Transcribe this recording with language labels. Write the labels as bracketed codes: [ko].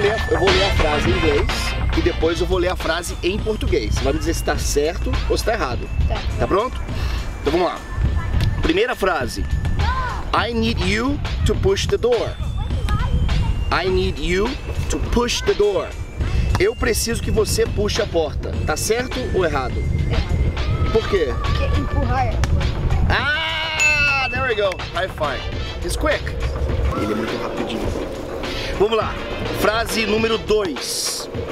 [pt] Eu vou ler a frase em inglês e depois eu vou ler a frase em português. Você vai me dizer se tá certo ou se tá errado. Tá. Tá pronto? Então vamos lá. Primeira frase. [en] I need you to push the door. I need you to push the door. [pt] Eu preciso que você puxe a porta. Tá certo ou errado? Errado. Por quê? Porque empurrar é a porta. [en] Ah, there we go. High five. He's quick. [pt] Ele é muito rapidinho. Vamos lá. Frase número 2.